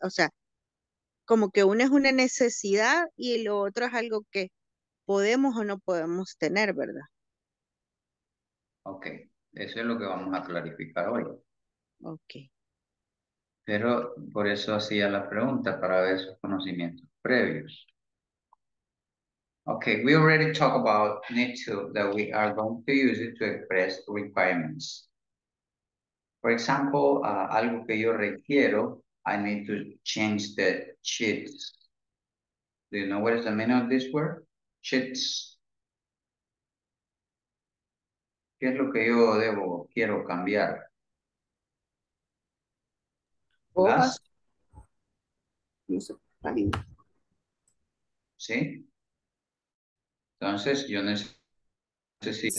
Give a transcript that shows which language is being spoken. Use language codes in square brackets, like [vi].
[es] O sea, como que uno es una necesidad y lo otro es algo que podemos o no podemos tener, ¿verdad? Ok. Eso es lo que vamos a clarificar hoy. Ok. Pero por eso hacía la pregunta, para ver sus conocimientos previos. [en] Okay, we already talked about need to, that we are going to use it to express requirements. For example, [es] algo que yo requiero, [en] I need to change the sheets. Do you know what is the meaning of this word? Sheets. [es] ¿Qué es lo que yo debo, quiero cambiar? ¿Hojas? ¿Sí? Entonces, yo necesito...